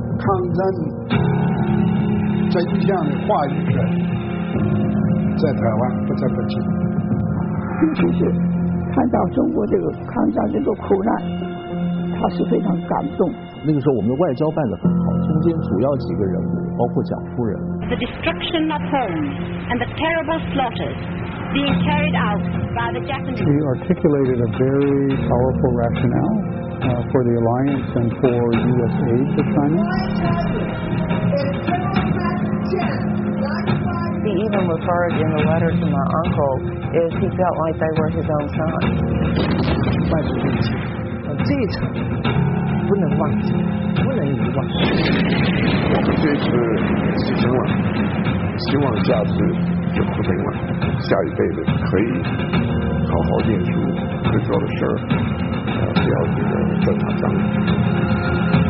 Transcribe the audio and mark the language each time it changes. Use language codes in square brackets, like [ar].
[zh] 抗战真相的话语权在台湾不在北京，尤其是看到中国这个抗战这个苦难，他是非常感动。那个时候我们的外交办得很好，中间主要几个人物包括蒋夫人。 [en] The destruction of homes and the terrible slaughters being carried out by the Japanese. He articulated a very powerful rationale, for the alliance and for U.S. aid to China. He even referred in the letter to my uncle is he felt like they were his own son. [zh] 这一场不能忘记，不能遗忘。我们这次牺牲了，希望下次就不行了，下一辈子可以好好念书，可以做的事儿，不要这个战场上。